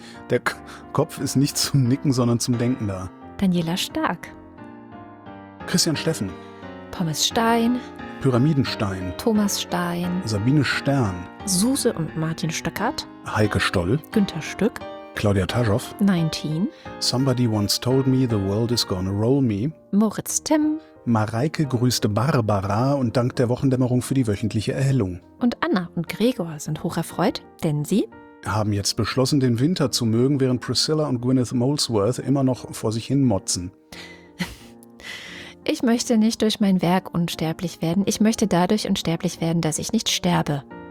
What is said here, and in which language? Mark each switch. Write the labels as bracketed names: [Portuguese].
[German] Der Kopf ist nicht zum Nicken, sondern zum Denken da. Daniela Stark. Christian Steffen. Pommes Stein. Pyramidenstein. Thomas Stein. Sabine Stern. Suse und Martin Stöckert. Heike Stoll. Günther Stück. Claudia Taschow. 19. [English] Somebody once told me the world is gonna roll me. [German] Moritz Timm. Mareike grüßte Barbara und dankt der Wochendämmerung für die wöchentliche Erhellung. Und Anna und Gregor sind hocherfreut, denn sie haben jetzt beschlossen, den Winter zu mögen, während Priscilla und Gwyneth Molesworth immer noch vor sich hin motzen. Ich möchte nicht durch mein Werk unsterblich werden. Ich möchte dadurch unsterblich werden, dass ich nicht sterbe.